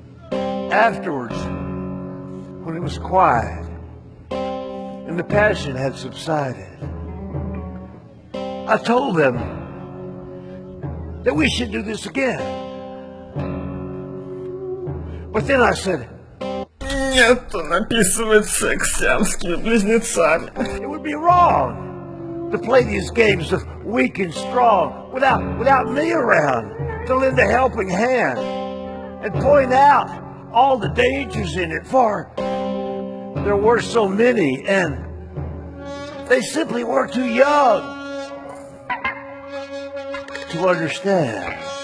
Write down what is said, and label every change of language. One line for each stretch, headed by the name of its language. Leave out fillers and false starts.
English: Afterwards, when it was quiet and the passion had subsided, I told them that we should do this again. But then I said,
Russian: "Нет, он описывает секс с сиамскими близнецами."
English: It would be wrong to play these games of weak and strong without me around to lend a helping hand and point out all the dangers in it, for there were so many, and they simply were too young to understand.